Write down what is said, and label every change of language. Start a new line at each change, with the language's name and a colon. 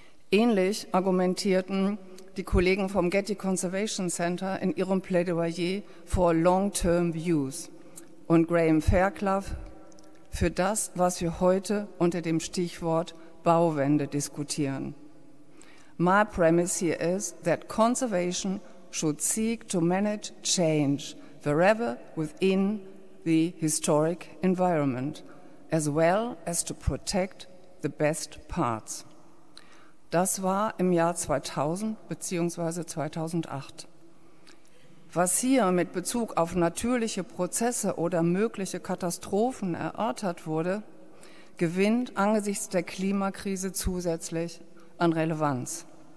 German: Ähnlich argumentierten die Kollegen vom Getty Conservation Center in ihrem Plädoyer for Long-Term Views und Graham Fairclough für das, was wir heute unter dem Stichwort Bauwende diskutieren.
English: My premise here is that conservation should seek to manage change wherever within the historic environment, as well as to protect the best parts.
German: Das war im Jahr 2000 beziehungsweise 2008. Was hier mit Bezug auf natürliche Prozesse oder mögliche Katastrophen erörtert wurde, gewinnt angesichts der Klimakrise zusätzlich an Relevanz.